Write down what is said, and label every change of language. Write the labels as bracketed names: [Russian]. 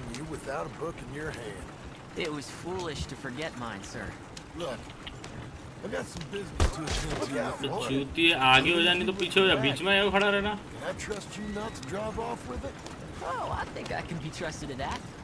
[English] Without a book in your hand. It was foolish to forget mine, sir. Look, I've got some business to attend to. [Hindi] चूतिये आगे हो जाने तो पीछे हो जा बीच में आओ खड़ा रहना. [English] Can I trust you not to drive off with it? Oh, I think I can be trusted to that.